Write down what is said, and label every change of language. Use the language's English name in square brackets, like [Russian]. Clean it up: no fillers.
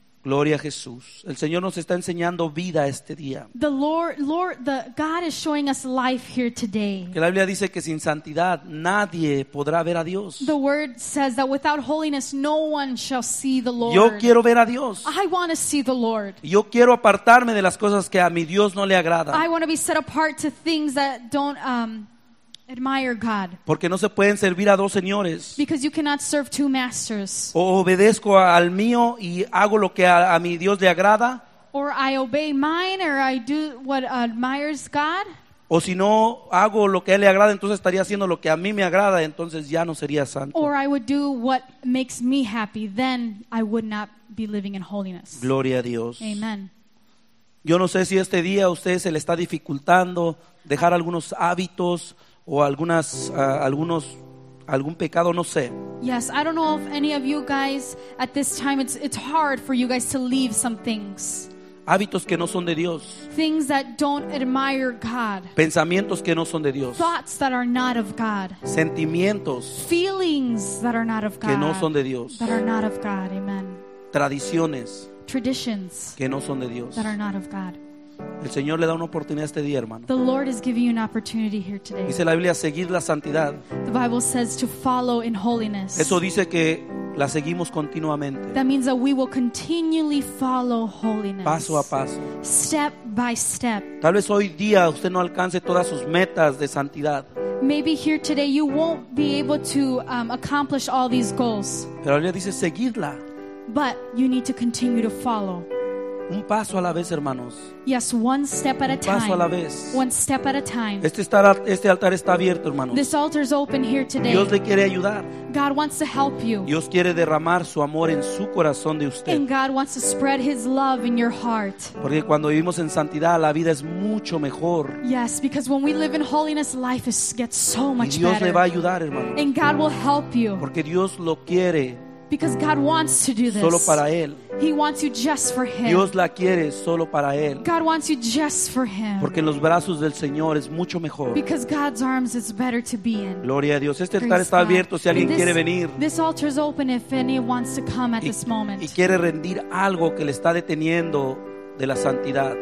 [Spanish] Gloria a Jesús. El Señor nos está enseñando vida este día. [English] The God is showing us life here today. [Spanish] Que la Biblia dice que sin santidad nadie podrá ver a Dios. [English] The word says that without holiness no one shall see the Lord. [Spanish] Yo quiero ver a Dios. [English] I want to see the Lord. [Spanish] Yo quiero apartarme de las cosas que a mi Dios no le agrada. [English] I want to be set apart to things that don't admire God. [Spanish] Porque no se pueden servir a dos señores. [English] Because you cannot serve two masters. [Spanish] O obedezco al mío y hago lo que a mi Dios le agrada. [English] Or I obey mine or I do what admires God. [Spanish] O si no hago lo que a él le agrada, entonces estaría haciendo lo que a mí me agrada, entonces ya no sería santo. [English] Or I would do what makes me happy, then I would not be living in holiness. [Spanish] Gloria a Dios. [English] Amen. [Spanish] Yo no sé si este día a usted se le está dificultando dejar algunos hábitos o algunas algún pecado, no sé. [English] Yes, I don't know if any of you guys at this time it's hard for you guys to leave some things. [Spanish] Hábitos que no son de Dios. [English] Things that don't admire God. [Spanish] Pensamientos que no son de Dios. [English] Thoughts that are not of God. [Spanish] Sentimientos. [English] Feelings that are not of God. [Spanish] Que no son de Dios. [English] That are not of God. Amen. [Spanish] Tradiciones. [English] Traditions. [Spanish] Que no son de Dios. [English] That are not of God. [Spanish] El Señor le da una oportunidad este día, hermano. [English] The Lord is giving you an opportunity here today. [Spanish] Dice la Biblia, seguir la santidad. [English] The Bible says to follow in holiness. [Spanish] Eso dice que la seguimos continuamente. [English] That means that we will continually follow holiness. [Spanish] Paso a paso. [English] Step by step. [Spanish] Tal vez hoy día usted no alcance todas sus metas de santidad. [English] Maybe here today you won't be able to accomplish all these goals. [Spanish] Pero la Biblia dice, seguidla. [English] But you need to continue to follow. [Spanish] Un paso a la vez, hermanos. [English] Yes, one step at a time. [Spanish] Un paso a la vez. [English] One step at a time. [Spanish] Este altar está abierto, hermanos. [English] This altar is open here today. [Spanish] Dios le quiere ayudar. [English] God wants to help you. [Spanish] Dios quiere derramar su amor en su corazón de usted. [English] And God wants to spread His love in your heart. [Spanish] Porque cuando vivimos en santidad, la vida es mucho mejor. [English] Yes, because when we live in holiness, life gets so much better. [Spanish] Y Dios [English] better. [Spanish] Le va a ayudar, hermano. [English] And God will help you. [Spanish] Porque Dios lo quiere. [English] Because God wants to do this. [Spanish] Solo para Él. [English] He wants you just for Him. [Spanish] Dios la quiere solo para Él. [English] God wants you just for Him. [Spanish] Porque en los brazos del Señor es mucho mejor. [English] Because God's arms is better to be in. [Spanish] Gloria a Dios. Este altar está abierto si alguien quiere venir. [English] This altar is open if anyone wants to come at this moment. [Spanish] Y quiere rendir algo que le está deteniendo de la santidad.